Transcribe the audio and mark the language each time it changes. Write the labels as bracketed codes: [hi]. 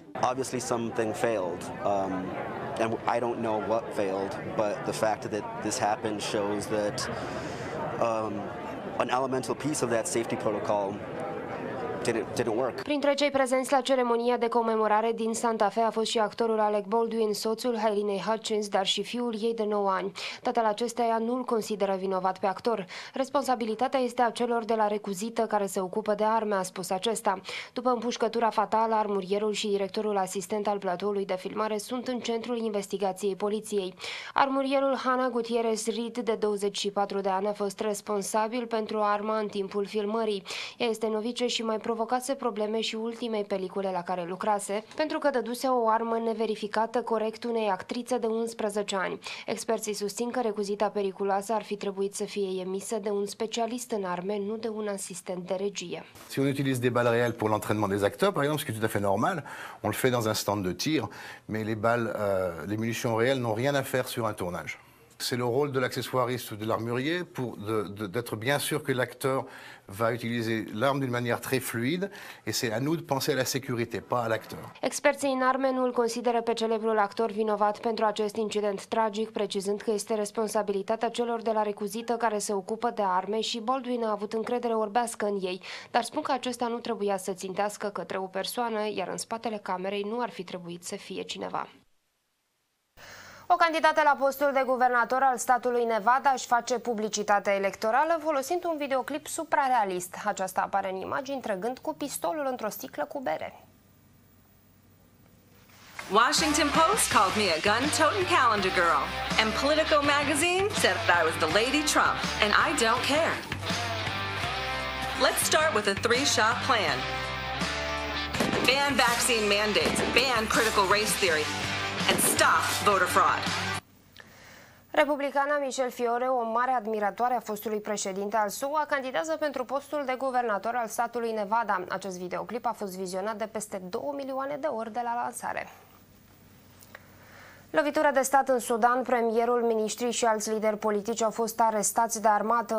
[en] Obviously, something failed. And I don't know what failed, but the fact that this happened shows that an elemental piece of that safety protocol didn't work. [ro] Printre cei prezenți la ceremonia de comemorare din Santa Fe a fost și actorul Alec Baldwin, soțul Haleenah Hutchins, dar și fiul ei de 9 ani. Tatăl acesteia nu îl consideră vinovat pe actor. Responsabilitatea este a celor de la recuzită care se ocupă de arme, a spus acesta. După împușcătura fatală, armurierul și directorul asistent al platoului de filmare sunt în centrul investigației poliției. Armurierul Hanna Gutierrez Reed, de 24 de ani, a fost responsabil pentru arma în timpul filmării. Ea este novice și mai provocată provocase probleme și ultimei pelicule la care lucrase, pentru că dăduse o armă neverificată corect unei actrițe de 11 ani. Experții susțin că recuzita periculoasă ar fi trebuit să fie emisă de un specialist în arme, nu de un asistent de regie. [fr] Si on utilise des balles réelles pour l'entraînement des acteurs, par exemple, ce qui est tout à fait normal, on le fait dans un stand de tir, mais les balles, les munitions réelles n'ont rien à faire sur un tournage. C'est le rôle de l'accessoiriste ou de l'armurier pour d'être bien sûr que l'acteur va utiliser l'arme d'une manière très fluide et c'est à nous de penser à la sécurité, pas à l'acteur. [ro] Experții în arme nu îl consideră pe celebrul actor vinovat pentru acest incident tragic, precizând că este responsabilitatea celor de la recuzită care se ocupă de arme și Baldwin a avut încredere orbească în ei, dar spun că acesta nu trebuia să țintească către o persoană, iar în spatele camerei nu ar fi trebuit să fie cineva. O candidată la postul de guvernator al statului Nevada își face publicitatea electorală folosind un videoclip suprarealist. Aceasta apare în imagini trăgând cu pistolul într-o sticlă cu bere. [en] Washington Post called me a gun-toting calendar girl. And Politico magazine said that I was the Lady Trump. And I don't care. Let's start with a three-shot plan. Ban vaccine mandates. Ban critical race theory. And stop voter fraud. [ro] Republicana Michelle Fiore, o mare admiratoare a fostului președinte al SUA, candidează pentru postul de guvernator al statului Nevada. Acest videoclip a fost vizionat de peste 2 milioane de ori de la lansare. Lovitura de stat în Sudan, premierul, ministrii și alți lideri politici au fost arestați de armată.